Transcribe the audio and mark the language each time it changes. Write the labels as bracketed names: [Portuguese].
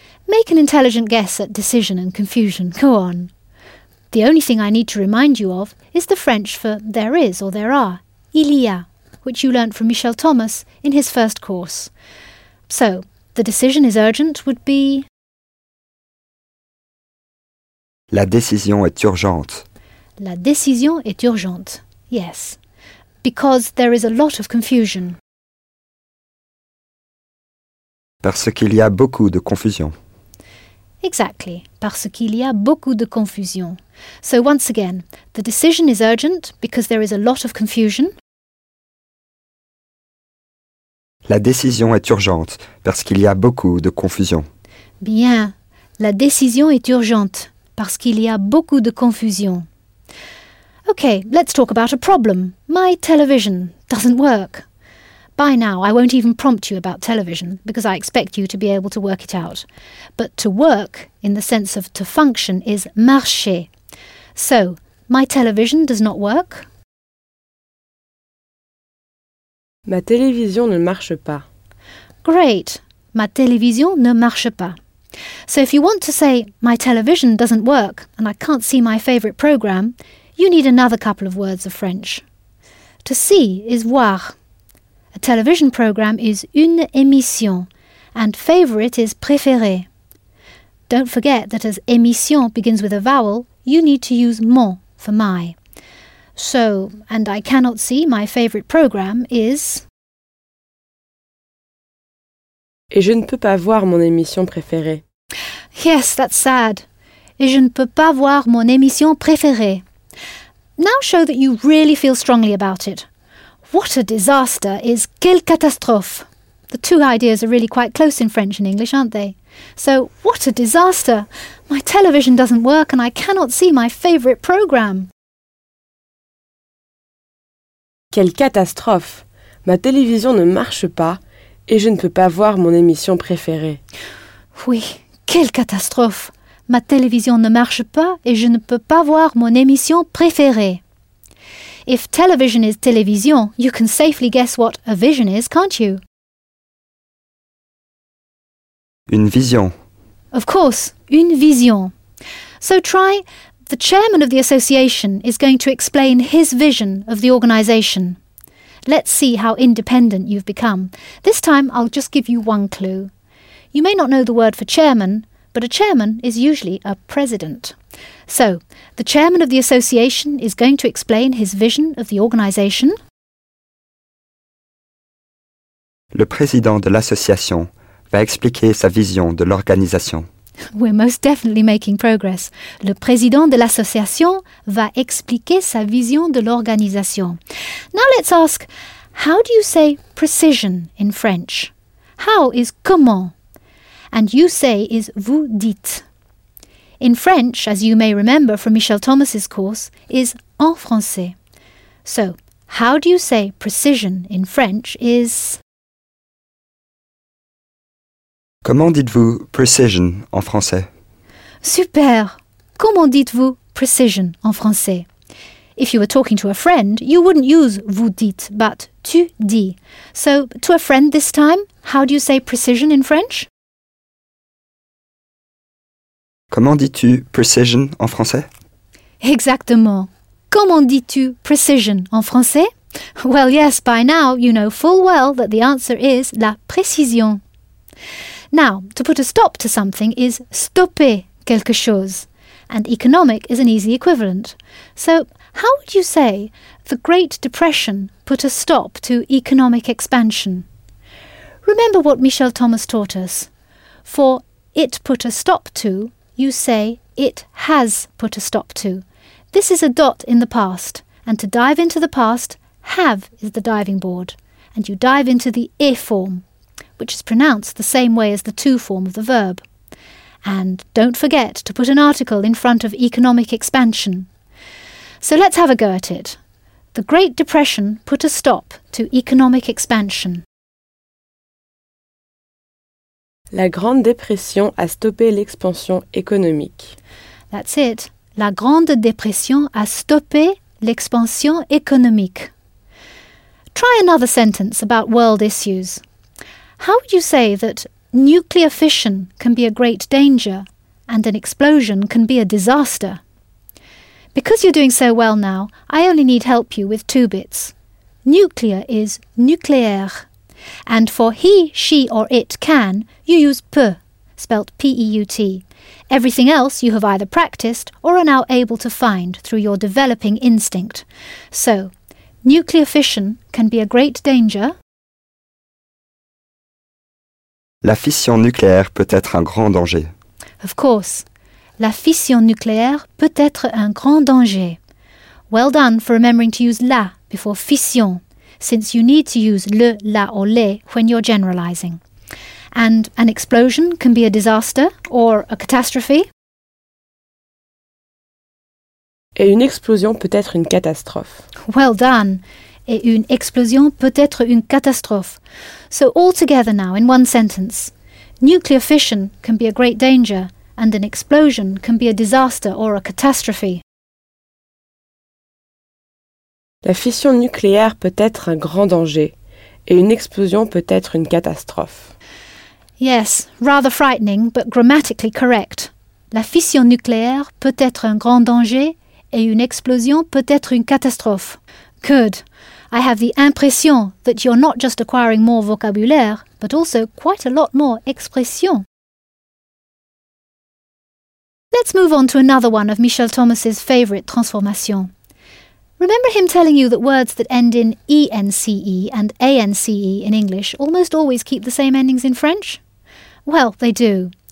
[English] Make an intelligent guess at decision and confusion. Go on. The only thing I need to remind you of is the French for there is or there are, [French] il y a, [English] which you learnt from Michel Thomas in his first course. So, the decision is urgent would be... [French] La décision est urgente. La décision est urgente. [English] Yes. Because there is a lot of confusion. [French] Parce qu'il y a beaucoup de confusion. [English] Exactly. [French] Parce qu'il y a beaucoup de confusion. [English] So once again, the decision is urgent because there is a lot of confusion. [French] La décision est urgente parce qu'il y a beaucoup de confusion. Bien. La décision est urgente parce qu'il y a beaucoup de confusion. [English] Okay, let's talk about a problem. My television doesn't work. By now, I won't even prompt you about television, because I expect you to be able to work it out. But to work, in the sense of to function, is marcher. So, my television does not work. [French] Ma télévision ne marche pas. [English] Great. [French] Ma télévision ne marche pas. [English] So if you want to say, my television doesn't work, and I can't see my favourite programme, you need another couple of words of French. To see is voir. A television programme is [French] une émission, [English] and favourite is préféré. Don't forget that as émission begins with a vowel, you need to use mon for my. So, and I cannot see, my favourite programme is... [French] Et je ne peux pas voir mon émission préférée. [English] Yes, that's sad. [French] Et je ne peux pas voir mon émission préférée. [English] Now show that you really feel strongly about it. What a disaster is [French] quelle catastrophe. [English] The two ideas are really quite close in French and English, aren't they? So, what a disaster. My television doesn't work and I cannot see my favourite programme. [French] Quelle catastrophe. Ma télévision ne marche pas et je ne peux pas voir mon émission préférée. Oui, quelle catastrophe. Ma télévision ne marche pas et je ne peux pas voir mon émission préférée. [English] If television is télévision, you can safely guess what a vision is, can't you? [French] Une vision. [English] Of course, [French] une vision. [English] So try, the chairman of the association is going to explain his vision of the organisation. Let's see how independent you've become. This time I'll just give you one clue. You may not know the word for chairman, but a chairman is usually a president. So, the chairman of the association is going to explain his vision of the organisation. [French] Le président de l'association va expliquer sa vision de l'organisation. [English] We're most definitely making progress. [French] Le président de l'association va expliquer sa vision de l'organisation. [English] Now let's ask, how do you say precision in French? How is comment? And you say is [French] vous dites. [English] In French, as you may remember from Michel Thomas's course, is [French] en français. [English] So, how do you say precision in French is... [French] Comment dites-vous precision en français? Super! Comment dites-vous precision en français? [English] If you were talking to a friend, you wouldn't use [French] vous dites, [English] but [French] tu dis. [English] So, to a friend this time, how do you say precision in French? [French] Comment dis-tu precision en français? Exactement. Comment dis-tu precision en français? [English] Well, yes, by now you know full well that the answer is la précision. Now, to put a stop to something is [French] stopper quelque chose, [English] and economic is an easy equivalent. So, how would you say the Great Depression put a stop to economic expansion? Remember what Michel Thomas taught us. For it put a stop to, you say it has put a stop to. This is a dot in the past, and to dive into the past, have is the diving board, and you dive into the et form, which is pronounced the same way as the to form of the verb. And don't forget to put an article in front of economic expansion. So let's have a go at it. The Great Depression put a stop to economic expansion. [French] La Grande Dépression a stoppé l'expansion économique. [English] That's it. [French] La Grande Dépression a stoppé l'expansion économique. [English] Try another sentence about world issues. How would you say that nuclear fission can be a great danger and an explosion can be a disaster? Because you're doing so well now, I only need help you with two bits. Nuclear is nucléaire. And for he, she or it can, you use peut, spelt P-E-U-T. Everything else you have either practiced or are now able to find through your developing instinct. So, nuclear fission can be a great danger. [French] La fission nucléaire peut être un grand danger. [English] Of course. [French] La fission nucléaire peut être un grand danger. [English] Well done for remembering to use la before fission, since you need to use le, la or les when you're generalizing. And an explosion can be a disaster or a catastrophe. [French] Et une explosion peut être une catastrophe. [English] Well done. [French] Et une explosion peut être une catastrophe. [English] So all together now in one sentence. Nuclear fission can be a great danger. And an explosion can be a disaster or a catastrophe. [French] La fission nucléaire peut être un grand danger, et une explosion peut être une catastrophe. [English] Yes, rather frightening, but grammatically correct. [French] La fission nucléaire peut être un grand danger, et une explosion peut être une catastrophe. [English] Good. I have the impression that you're not just acquiring more vocabulaire, but also quite a lot more expression. Let's move on to another one of Michel Thomas's favourite transformations. Remember him telling you that words that end in ence and ance in English almost always keep the same endings in French? Well, they do.